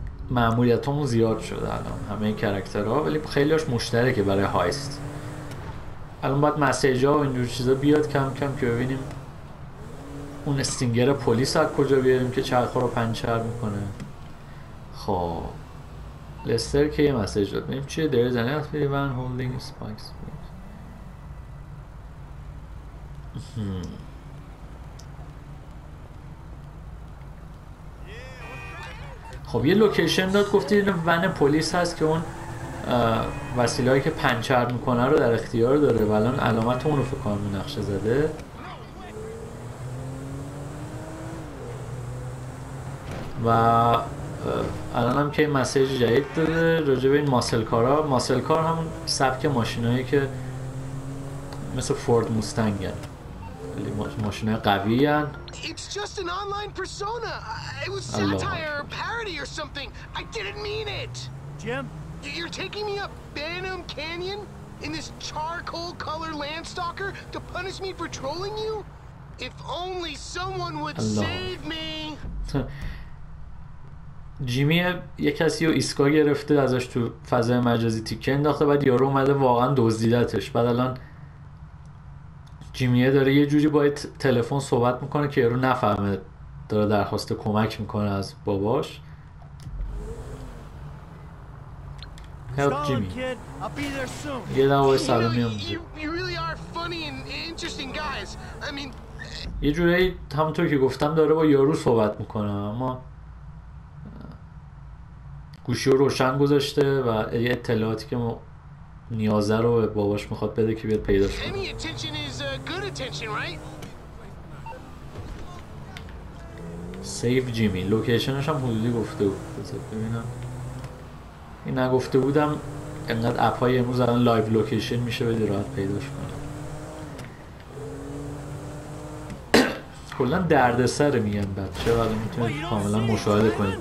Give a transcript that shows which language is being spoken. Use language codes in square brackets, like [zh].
[fa] مأموریتامون زیاد شده الان. همه کاراکترها ولی خیلیاش مشترکه برای هایست. الان باید مسیجا و اینجور چیزا بیاد کم کم که ببینیم اون استینگر پلیس از کجا بیاریم که چرخه رو پنچر میکنه. خب لستر که یه مسیج داد، ببینیم چیه. [en] There is an activity van holding spikes. [fa] خب یه لوکیشن داد، گفتی این ون پلیس هست که اون وسیله هایی که پنچر میکنه رو در اختیار داره و الان علامت اون رو فکر کنم نقشه زده. و الان هم که مسیج جدید داده راجع به این ماسل کار ها. ماسل کار هم سبک ماشین هایی که مثل فورد موستنگ هست، ولی ماشین های قوی هست. [en] It's just an online persona. It was satire or parody or something. I didn't mean it. Jim, you're taking me up Banham Canyon in this charcoal color landstalker to punish me for trolling you? If only someone would save me. [fa] جیمی یه کسی رو ایسکا گرفته ازش تو فضای مجازی تیکه انداخته، بعد یارو اومده واقعا دزدیدتش، بعد الان جیمیه داره یه جوری باید تلفن صحبت میکنه که یارو نفهمه داره درخواست کمک میکنه از باباش. [en] Help Jimmy. Kid. I'll be there soon. Yeah, that was all me. You really are funny and interesting guys. I mean, [fa] یه جوری همونطور که گفتم داره با یارو صحبت میکنه، اما گوشی رو روشن گذاشته و یه اطلاعاتی که نیازه رو به باباش میخواد بده که بیاد پیدا کنه. [en] Any attention is good attention, right? Save Jimmy. [fa] لوکیشنش هم حدودی گفته بود. ببینم. این نگفته بودم انقدر اپ های امروز الان لایو لوکیشن میشه بدی راحت پیداش کنم. کلن درد سر میگن بچه و الان میتونید کاملا مشاهده کنید.